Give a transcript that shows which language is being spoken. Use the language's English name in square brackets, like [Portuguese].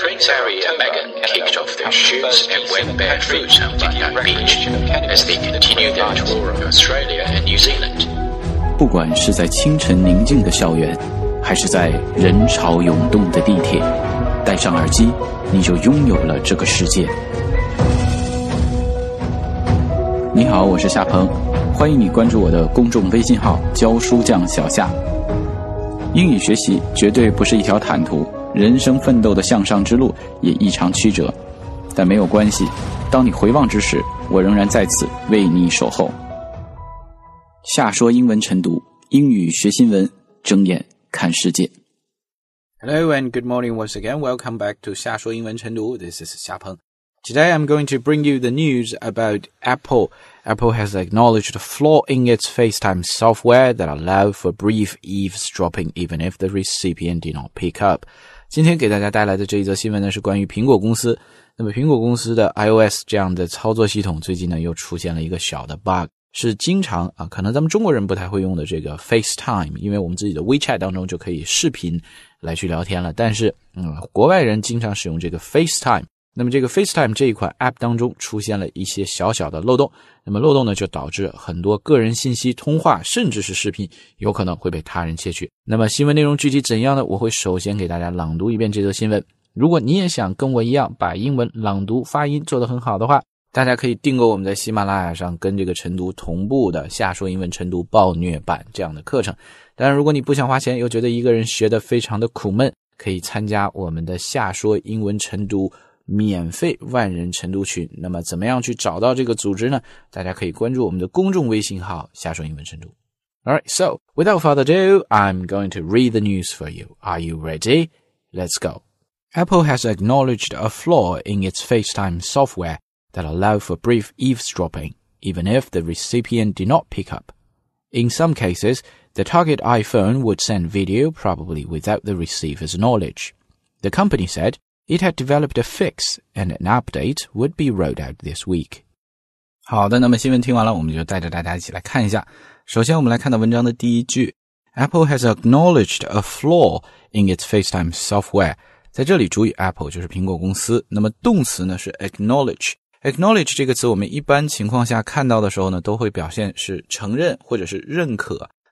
[English] Prince Harry and Meghan kicked off their shoots and went barefoot on Bundang Beach as they continued their tour of Australia and New Zealand. [Chinese] 不管是在清晨宁静的校园，还是在人潮涌动的地铁，戴上耳机，你就拥有了这个世界。你好，我是夏鹏，欢迎你关注我的公众微信号教书匠小夏。英语学习绝对不是一条坦途，人生奋斗的向上之路也异常曲折，但没有关系，当你回望之时，我仍然在此为你守候。夏说英文晨读，英语学新闻，睁眼看世界。 [English] Hello and good morning once again. Welcome back to 夏说英文晨读。This is 夏鹏。 Today I'm going to bring you the news about Apple. Apple has acknowledged a flaw in its FaceTime software that allowed for brief eavesdropping even if the recipient did not pick up. [Chinese] 今天给大家带来的这一则新闻呢是关于苹果公司。那么苹果公司的 iOS 这样的操作系统最近呢又出现了一个小的 bug。是经常啊，可能咱们中国人不太会用的这个 FaceTime， 因为我们自己的 WeChat 当中就可以视频来去聊天了。但是，国外人经常使用这个 FaceTime。那么这个 FaceTime 这一款 App 当中出现了一些小小的漏洞。那么漏洞呢，就导致很多个人信息、通话，甚至是视频，有可能会被他人窃取。那么新闻内容具体怎样呢？我会首先给大家朗读一遍这则新闻。如果你也想跟我一样把英文朗读发音做得很好的话，大家可以订购我们在喜马拉雅上跟这个晨读同步的夏说英文晨读暴虐版这样的课程。当然如果你不想花钱又觉得一个人学得非常的苦闷，可以参加我们的夏说英文晨读免费万人晨读群。那么怎么样去找到这个组织呢？大家可以关注我们的公众微信号夏说英文晨读。 [English] Alright, so without further ado, I'm going to read the news for you. Are you ready? Let's go. Apple has acknowledged a flaw in its FaceTime softwareThat allowed for brief eavesdropping, even if the recipient did not pick up. In some cases, the target iPhone would send video probably without the receiver's knowledge. The company said it had developed a fix and an update would be rolled out this week. [Chinese] 好的，那么新闻听完了，我们就带着大家一起来看一下。首先我们来看到文章的第一句。 [English] Apple has acknowledged a flaw in its FaceTime software. [Chinese] 在这里注意 Apple 就是苹果公司。那么动词呢是 acknowledge。 Acknowledge 这个词我们一般情况下看到的时候呢都会表现是承认或者是认可。